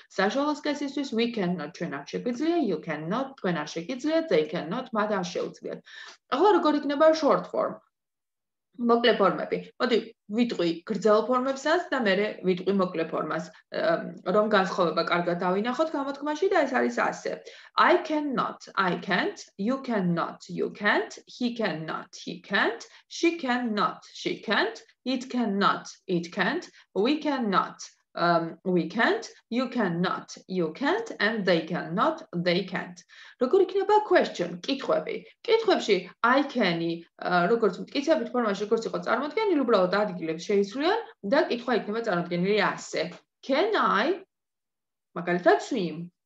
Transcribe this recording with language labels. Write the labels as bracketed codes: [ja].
[ka] საშუალო სქესისთვის, [en] we cannot, [ka] ჩვენ არ შეგიძლია, [en] you cannot, [ka] თქვენ არ შეგიძლიათ, [en] they cannot, [ka] მათ არ შეუძლიათ. ახლა როგორ იქნება [en] short form? [ka] მოკლე ფორმები. მოდი, ვიტყვი გრძელ ფორმებსაც და მე ვიტყვი მოკლე ფორმას, რომ განსხვავება კარგად დავინახოთ გამოთქმაში და ეს არის ასე. [en] I cannot, I can't, you cannot, you can't, he cannot, he can't, she cannot, she can't, it cannot, it can't, we cannot, we can't, you cannot, you can't and they cannot, they can't. [ka] როგორ იქნება question, კითხვები? კითხვებში I can-ი როგორც მტკიცებით ფორმაში როგორც იყო წარმოდგენილი, უბრალოდ ადგილებს შეისრულებ და კითხვა იქნება წარმოდგენილი ასე. [en] Can I [ka] მაგალითად [en] swim?